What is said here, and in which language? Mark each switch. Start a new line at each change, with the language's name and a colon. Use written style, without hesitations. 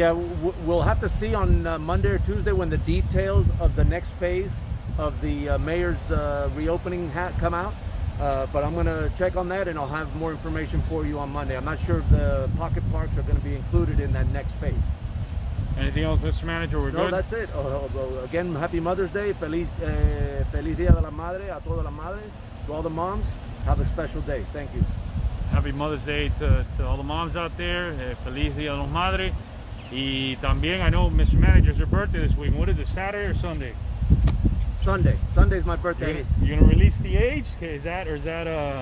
English: Yeah, we'll have to see on Monday or Tuesday when the details of the next phase of the mayor's reopening come out. But I'm going to check on that, and I'll have more information for you on Monday. I'm not sure if the pocket parks are going to be included in that next phase. Anything else, Mr. Manager? We're no, No, that's it. Again, happy Mother's Day.
Spanish: Feliz Día de la Madre, a todas las madres.
English: To all the moms, have a special day. Thank you. Happy Mother's Day to all the moms out there.
Spanish: Feliz Día de la Madre. Y también,
English: I know,
Spanish: Mr.
English: Manager, it's your birthday this week. What is it, Saturday or Sunday? Sunday. Sunday's my birthday. You're going to release the age? Okay, is that, or is that a...